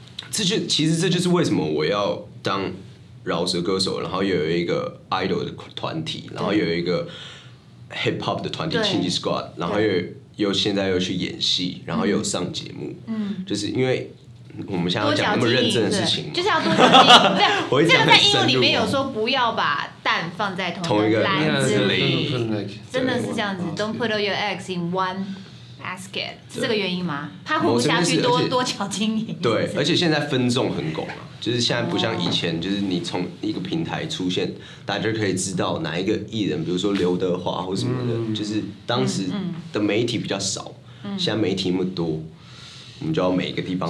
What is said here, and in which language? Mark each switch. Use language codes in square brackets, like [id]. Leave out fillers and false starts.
[zh] 这就是为什么我要当饶舌歌手，然后又有一个 idol 的团体，然后又有一个 hip hop 的团体 Chingy Squad， 然后又现在又去演戏，然后又有上节目，就是因为我们现在要讲那么认真的事情，就是要多经营。这个在英文里面有说不要把蛋放在同一个篮子里，真的是这样子。 [en] Don't put all your eggs in one basket， [zh] 是这个原因吗？怕活不下去，多角经营。对，而且现在分众很广啊，就是现在不像以前，就是你从一个平台出现，大家可以知道哪一个艺人，比如说刘德华或什么的，就是当时。的媒体比较少，现在媒体那么多，我们就要每个地方